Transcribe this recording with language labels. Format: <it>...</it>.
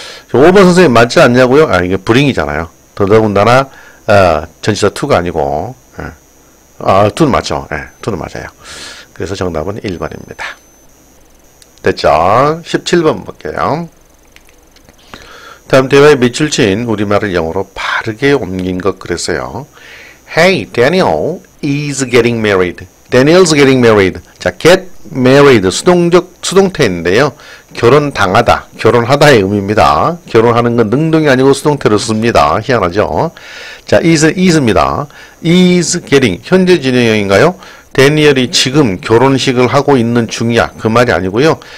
<ko>5번 선생님 맞지 않냐고요? 아, 이게 bring이잖아요. 더더군다나 전치사 2가 아니고 2는 맞죠. 2는 맞아요. 그래서 정답은 1번입니다. 됐죠. 17번 볼게요. 다음 대화의 밑줄친 우리말을 영어로 바르게 옮긴 것 그랬어요.</ko> <en>Hey, Daniel is getting married. Daniel's getting married.</en> <ko>자, get married. 수동적, 수동태인데요. 결혼당하다. 결혼하다의 의미입니다. 결혼하는 건 능동이 아니고 수동태로 씁니다. 희한하죠? 자, is입니다.</ko> <en>is getting.</en> <ko>현재 진행형인가요? 대니얼이 지금 결혼식을 하고 있는 중이야. 그 말이 아니고요.</ko>